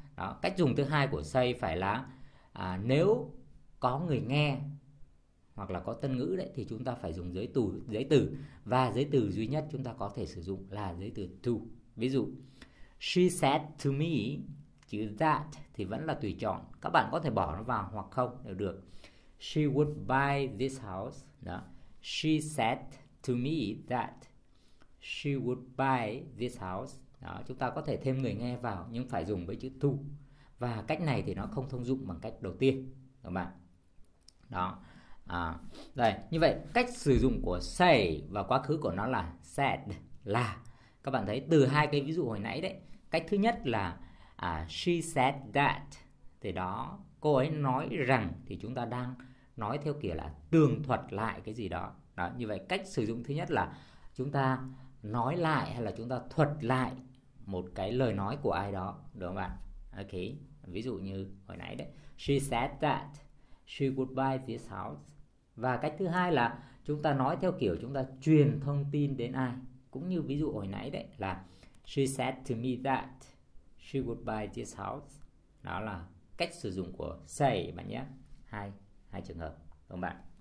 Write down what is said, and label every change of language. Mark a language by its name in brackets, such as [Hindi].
[Vietnamese] Đó, cách dùng thứ hai của say phải là nếu có người nghe hoặc là có tân ngữ đấy thì chúng ta phải dùng giới từ, và giới từ duy nhất chúng ta có thể sử dụng là giới từ to. Ví dụ [English] she said to me, [Vietnamese] chữ that thì vẫn là tùy chọn, các bạn có thể bỏ nó vào hoặc không đều được. [English] She would buy this house. Đó. She said to me that she would buy this house. [Vietnamese] Đó, chúng ta có thể thêm người nghe vào nhưng phải dùng với chữ to. Và cách này thì nó không thông dụng bằng cách đầu tiên, các bạn. Đó. Đây, như vậy cách sử dụng của say và quá khứ của nó là said là, các bạn thấy từ hai cái ví dụ hồi nãy đấy, cách thứ nhất là [English] she said that, [Vietnamese] thì đó, cô ấy nói rằng, thì chúng ta đang nói theo kiểu là tường thuật lại cái gì đó. Đó, như vậy cách sử dụng thứ nhất là chúng ta nói lại hay là chúng ta thuật lại một cái lời nói của ai đó, được không ạ? [English] Ok, [Vietnamese] ví dụ như hồi nãy đấy, [English] she said that she would buy this house. [Vietnamese] Và cách thứ hai là chúng ta nói theo kiểu chúng ta truyền thông tin đến ai, cũng như ví dụ hồi nãy đấy là [English] she said to me that she would buy this house. [Vietnamese] Đó là cách sử dụng của say bạn nhé, hai trường hợp, đúng không bạn?